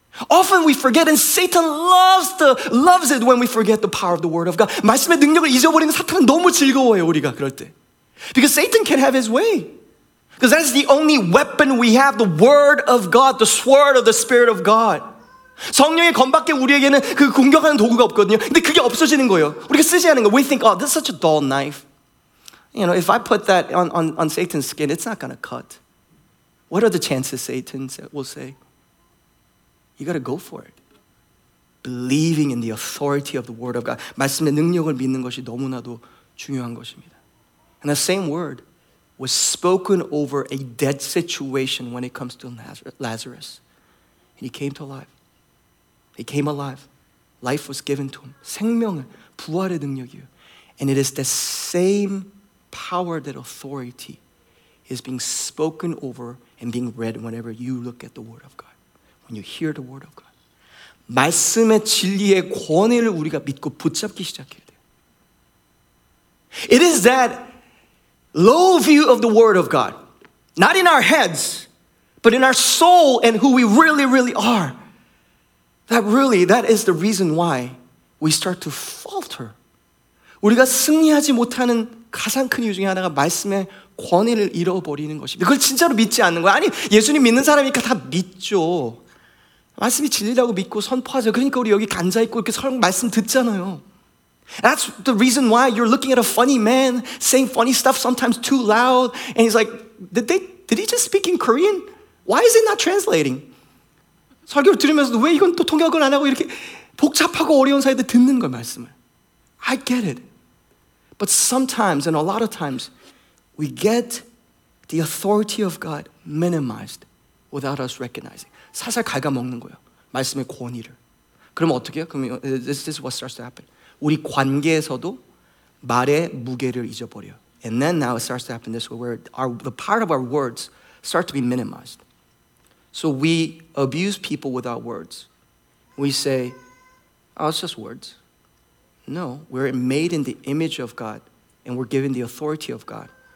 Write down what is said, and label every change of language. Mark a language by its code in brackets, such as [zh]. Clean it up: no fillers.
[en] Often we forget, and Satan loves it when we forget the power of the word of God. [ko] 말씀의 능력을 잊어버리는 사탄은 너무 즐거워요, 우리가 그럴 때. [en] Because Satan can have his way. Because that's the only weapon we have, the word of God, the sword of the spirit of God. [ko] 성령의 검밖에 우리에게는 그 공격하는 도구가 없거든요. 근데 그게 없어지는 거예요. 우리가 쓰지 않는 거. [en] We think, oh, this is such a dull knife. You know, if I put that on Satan's skin, it's not going to cut. What are the chances, Satan will say? You gotta go for it. Believing in the authority of the word of God. [ko] 말씀의 능력을 믿는 것이 너무나도 중요한 것입니다. [en] And the same word was spoken over a dead situation when it comes to Lazarus. And he came to life. He came alive. Life was given to him. [ko] 생명을, 부활의 능력이요. [en] And it is the same power that authority is being spoken over and being read whenever you look at the word of God. When you hear the word of God. [ko] 말씀의 진리의 권위를 우리가 믿고 붙잡기 시작해야 돼요. [en] It is that low view of the word of God. Not in our heads, but in our soul and who we really, really are. That really, that is the reason why we start to falter. [ko] 우리가 승리하지 못하는 가장 큰 이유 중에 하나가 말씀의 권위를 잃어버리는 것입니다. 그걸 진짜로 믿지 않는 거야. 아니, 예수님 믿는 사람이니까 다 믿죠. 말씀이 진리라고 믿고 선포하죠. 그러니까 우리 여기 앉아있고 이렇게 설명 말씀 듣잖아요. [en] That's the reason why you're looking at a funny man saying funny stuff sometimes too loud. And he's like, did he just speak in Korean? Why is it not translating? [ko] 설교를 들으면서 왜 이건 또 통역을 안 하고 이렇게 복잡하고 어려운 사이에 듣는 거예요, 말씀을. [en] I get it. But sometimes, and a lot of times, we get the authority of God minimized without us recognizing. [ko] 살살 갉아먹는 거예요, 말씀의 권위를. 그럼 어떻게 해요? 그럼 [en] this is what starts to happen. [ko] 우리 관계에서도 말의 무게를 잊어버려요. [en] And then now it starts to happen this way, where the part of our words start to be minimized. So we abuse people with our words. We say, oh, it's just words. No, we're made in the image of God and we're given the authority of God.